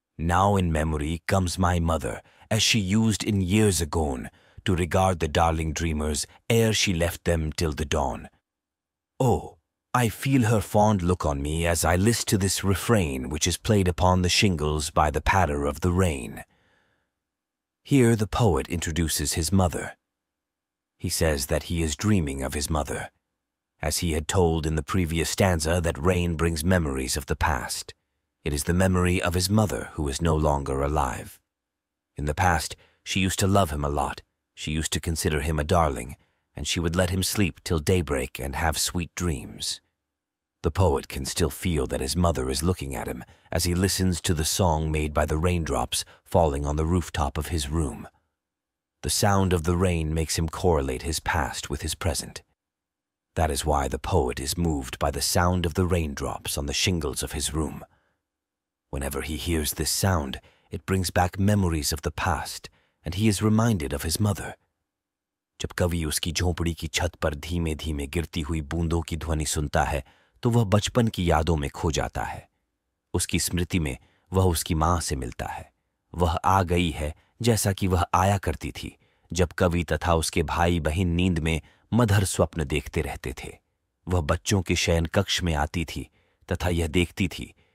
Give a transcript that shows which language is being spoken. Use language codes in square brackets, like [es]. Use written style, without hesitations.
[en] Now in memory comes my mother as she use in years agone to regard the darling dreamers ere she left them till the dawn. Oh I feel her fond look on me as I list to this refrain which is played upon the shingles by the patter of the rain. Here the poet introduces his mother. He says that he is dreaming of his mother, as he had told in the previous stanza that rain brings memories of the past. It is the memory of his mother who is no longer alive. In the past, she used to love him a lot, she used to consider him a darling, and she would let him sleep till daybreak and have sweet dreams. The poet can still feel that his mother is looking at him as he listens to the song made by the raindrops falling on the rooftop of his room. The sound of the rain makes him correlate his past with his present. That is why the poet is moved by the sound of the raindrops on the shingles of his room. Whenever he hears this sound, it brings back memories of the past, and he is reminded of his mother. [hi] जब कवि उसकी झोपड़ी की छत पर धीमे धीमे गिरती हुई बूंदों की ध्वनि सुनता है तो वह बचपन की यादों में खो जाता है। उसकी स्मृति में वह उसकी माँ से मिलता है। वह आ गई है जैसा कि वह आया करती थी जब कवि तथा उसके भाई बहन नींद में मधुर स्वप्न देखते रहते थे। वह बच्चों के शयन कक्ष में आती थी तथा यह देखती थी